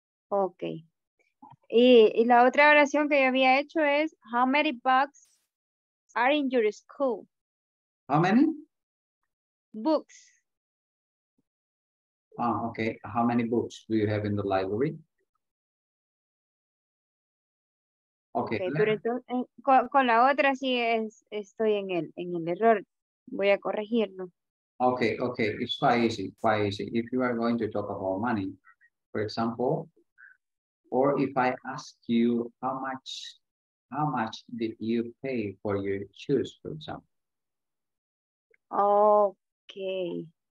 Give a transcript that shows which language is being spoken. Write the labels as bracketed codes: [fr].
[es] Ok. Y la otra oración que yo había hecho es, [en] how many books are in your school? How many? Books. Ah, ok. How many books do you have in the library? Okay. [es] Okay, pero entonces, con la otra sí es, estoy en el error. Voy a corregirlo. [en] Okay. It's quite easy. If you are going to talk about money, for example, or if I ask you how much did you pay for your shoes, for example. Okay.